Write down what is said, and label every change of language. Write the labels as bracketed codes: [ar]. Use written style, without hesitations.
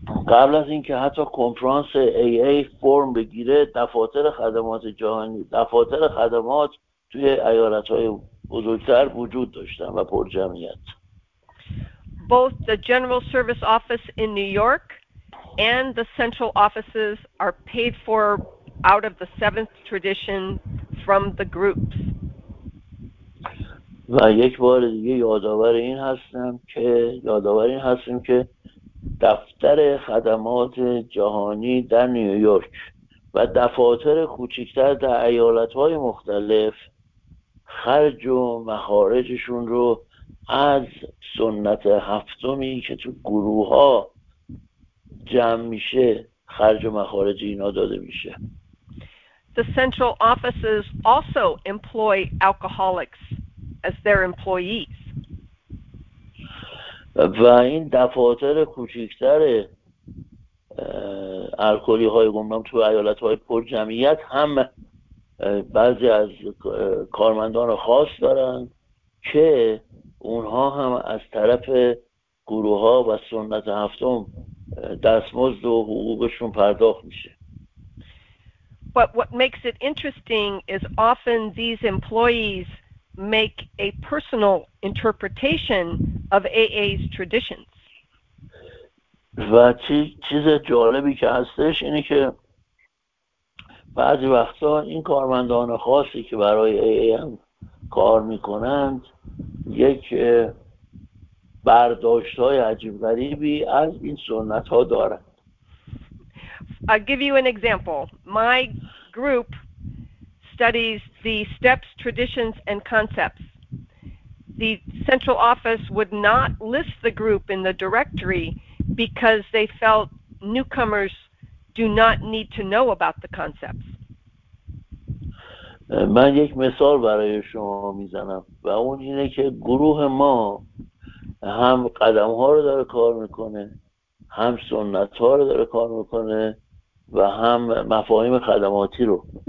[fa] قبل از اینکه حتی کنفرانس AA فرم بگیره دفاتر خدمات جهانی دفاتر خدمات توی ایالت‌های بزرگتر وجود داشتن و پرجمعیت. [en] Both the General Service Office in New York and the central offices are paid for out of the seventh tradition from the groups. [fa] و یک بار دیگه یادآور این هستم که دفتر خدمات جهانی در نیویورک و دفاتر کوچکتر در ایالت‌های مختلف خرج و مخارجشون رو از سنت هفتمی که تو گروه ها جمع میشه خرج و مخارج اینا داده میشه. [en] The central offices also employ alcoholics as their employees. [fa] و این دفاتر کوچکتر الکلی های گمنام تو ایالت های پر جمعیت هم بعضی از کارمندان خاص دارن که اونها هم از طرف گروه ها و سنت هفتم دستمزد و حقوقشون پرداخت میشه. [en] But what makes it interesting is often these employees make a personal interpretation of AA's traditions. [fa] و چیز جالبی که هستش اینه که بعضی وقتا این کارمندان خاصی که برای AA هم کار میکنند یک برداشت های عجیب غریبی از این سنت ها دارند. [en] I'll give you an example. My group studies the steps, traditions, and concepts. The central office would not list the group in the directory because they felt newcomers do not need to know about the concepts. [fa] من یک مثال برای شما میزنم و اون اینه که گروه ما هم قدم ها رو داره کار میکنه، هم سنت ها رو داره کار میکنه و هم مفاهیم خدماتی رو.